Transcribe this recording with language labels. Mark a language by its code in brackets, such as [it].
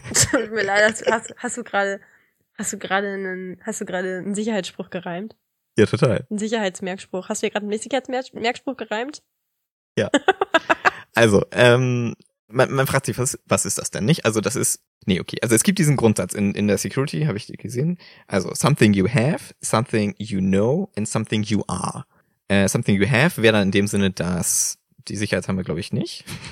[de] Tut mir leid, hast du gerade einen Sicherheitsspruch gereimt? Ja, total. Ein Sicherheitsmerkspruch. Hast du dir gerade einen Sicherheitsmerkspruch gereimt? Ja. Also, man fragt sich, was ist das denn nicht? Also das ist, nee, okay. Also es gibt diesen Grundsatz in der Security, habe ich dir gesehen. [en] Also something you have, something you know and something you are. Something you have [de] wäre dann in dem Sinne, dass die Sicherheit haben wir, glaube ich, nicht.